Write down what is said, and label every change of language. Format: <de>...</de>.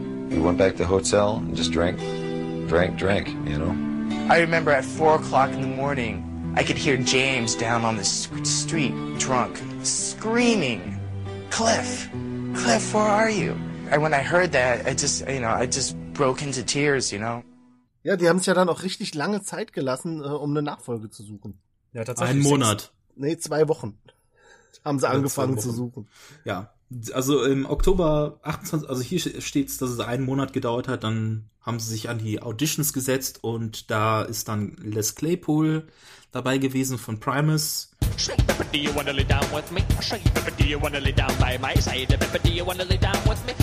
<en>We went back to the hotel and just drank, you know? I remember at 4 o'clock in the morning, I could hear James down on the street, drunk, screaming, Cliff, where are you? And when I heard that, I just broke into tears, you know?</en> <de>Ja, die haben es ja dann auch richtig lange Zeit gelassen, um eine Nachfolge zu suchen. Ja, tatsächlich. Ein Monat. Nee, 2 Wochen haben sie angefangen zu suchen. Ja, also im Oktober 28, also hier steht es, dass es einen Monat gedauert hat, dann haben sie sich an die Auditions gesetzt und da ist dann Les Claypool dabei gewesen von Primus.</de> <en>Do you wanna lay down with me? Say, do you wanna lay down by my side? Do you wanna lay down with me?</en>